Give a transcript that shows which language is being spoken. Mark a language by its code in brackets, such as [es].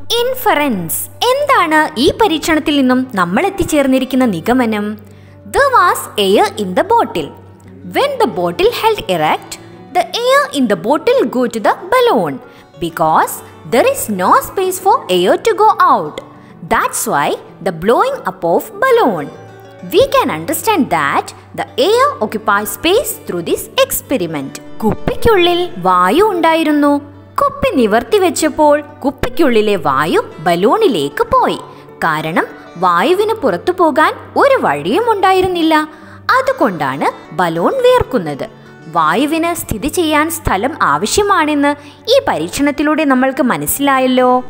[ml] Inference, എന്താണ് ഈ പരീക്ഷണത്തിൽ നിന്നും നമ്മൾ എത്തിച്ചേർന്നിരിക്കുന്ന നിഗമനം? [en] The was air in the bottle. When the bottle held erect, the air in the bottle go to the balloon because there is no space for air to go out. That's why the blowing up of balloon. We can understand that the air occupies space through this experiment. [ml] കുപ്പിക്കുള്ളിൽ വായു ഉണ്ടായിരുന്നു. കുപ്പി നിവർത്തി വെച്ചപ്പോൾ കുപ്പിക്കുള്ളിലെ വായു ബലൂണിലേക്ക് പോയി. കാരണം വായുവിന് പുറത്തു പോകാൻ ഒരു വഴിയും ഉണ്ടായിരുന്നില്ല. അതുകൊണ്ടാണ് ബലൂൺ വീർക്കുന്നത്. വായുവിന് സ്ഥിതി ചെയ്യാൻ സ്ഥലം ആവശ്യമാണെന്ന് ഈ പരീക്ഷണത്തിലൂടെ നമ്മൾക്ക് മനസ്സിലായല്ലോ.